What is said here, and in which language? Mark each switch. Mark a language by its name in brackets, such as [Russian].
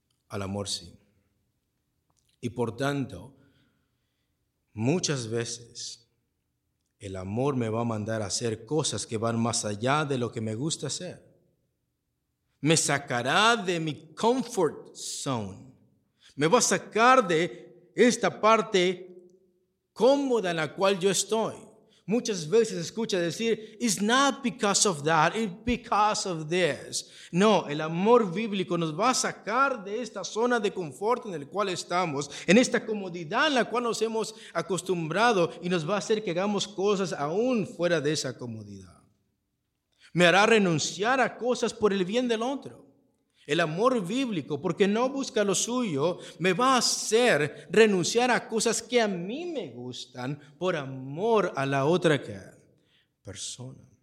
[Spanish] Al amor sí. Y por tanto, muchas veces el amor me va a mandar a hacer cosas que van más allá de lo que me gusta hacer. Me sacará de mi [English] comfort zone. [Spanish] Me va a sacar de esta parte cómoda en la cual yo estoy. Muchas veces escucha decir, [English] it's not because of that, it's because of this. [Spanish] No, el amor bíblico nos va a sacar de esta zona de confort en la cual estamos, en esta comodidad en la cual nos hemos acostumbrado, y nos va a hacer que hagamos cosas aún fuera de esa comodidad. Me hará renunciar a cosas por el bien del otro. El amor bíblico, porque no busca lo suyo, me va a hacer renunciar a cosas que a mí me gustan por amor a la otra persona.